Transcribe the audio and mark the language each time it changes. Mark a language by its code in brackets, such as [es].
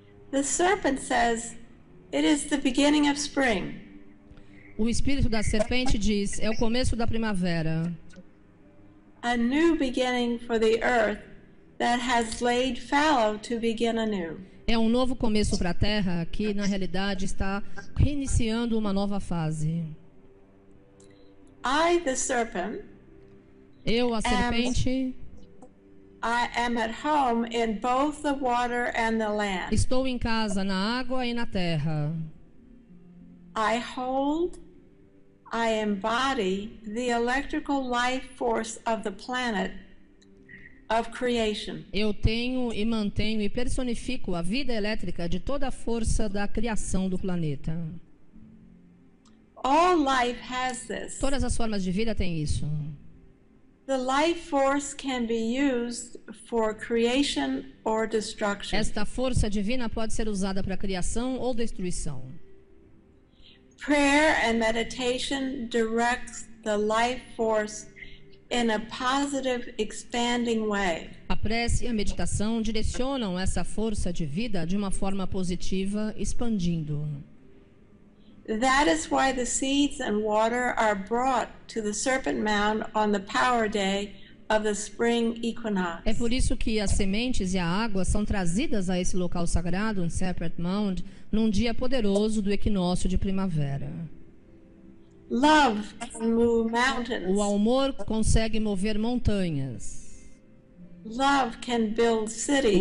[en] The serpent says it is the beginning of spring. [pt] O espírito da serpente diz: é o começo da primavera. [en] A new beginning for the earth that has laid fallow to begin anew. [pt] É um novo começo para a Terra que, na realidade, está reiniciando uma nova fase. [en] I, the serpent, [pt] eu, a serpente, [en] I am at home in both the water and the land. [pt] Estou em casa na água e na terra. [en] I hold, I embody the electrical life force of the planet. Of creation. [pt] Eu tenho e mantenho e personifico a vida elétrica de toda a força da criação do planeta. [en] All life has this. [pt] Todas as formas de vida têm isso. [en] The life force can be used for creation or destruction. [pt] Esta força divina pode ser usada para criação ou destruição. [en] Prayer and meditation directs the life force in a positive expanding way. [pt] A prece e a meditação direcionam essa força de vida de uma forma positiva, expandindo. [en] That is why the seeds and water are brought to the serpent mound on the power day of the spring equinox. [pt] É por isso que as sementes e a água são trazidas a esse local sagrado, um serpent mound, num dia poderoso do equinócio de primavera. [en] Love can move mountains. [pt] O amor consegue mover montanhas. [en] Love can build cities.